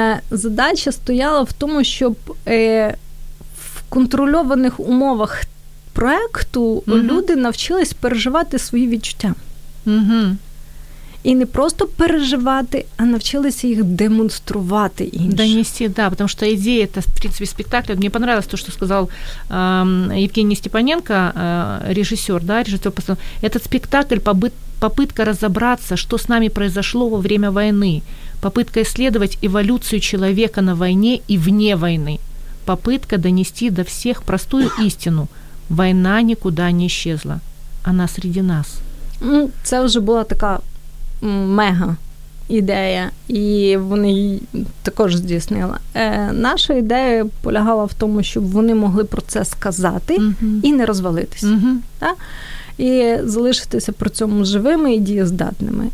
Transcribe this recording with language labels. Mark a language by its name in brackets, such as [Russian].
[Ukrainian] Задача стояла в тому, щоб в контрольованих умовах проєкту люди навчились переживати свої відчуття. І не просто переживати, а навчилися їх демонструвати іншим. Донести, да, тому що ідея та, в принципі, спектакль. Мені понравилось те, що сказав Євгеній Степаненко, режисер, да, режисер постановки. [Russian] Цей спектакль попытка разобраться, что с нами произошло во время войны, попытка исследовать эволюцию человека на войне и вне войны, попытка донести до всех простую истину: война никуда не исчезла, она среди нас. [Ukrainian] Ну, це вже була така мега-ідея, і вони її також здійснили. Наша ідея полягала в тому, щоб вони могли про це сказати і не розвалитися. Так? І залишитися при цьому живими і дієздатними.